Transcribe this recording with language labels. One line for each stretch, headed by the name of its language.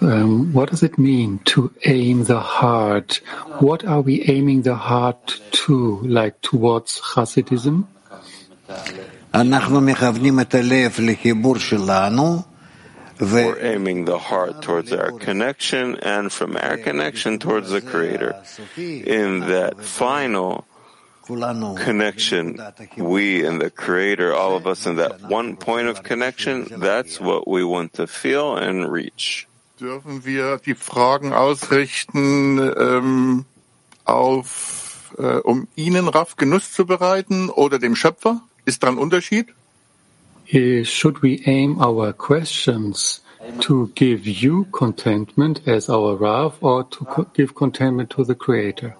English: What does it mean to aim the heart? What are we aiming the heart to, like towards Rassadism?
Hebrew: אנחנו מכוונים את הלב לחיבור שלנו.
English: We're aiming the heart towards our connection and from our connection towards the Creator. In that final connection, we and the Creator, all of us in that one point of connection, that's what we want to feel and reach.
German: Dürfen wir die Fragen ausrichten, auf, um Ihnen, Raff, Genuss zu bereiten oder dem Schöpfer? Ist da ein Unterschied?
English: Should we aim our questions to give you contentment as our Rav or to give contentment to the Creator?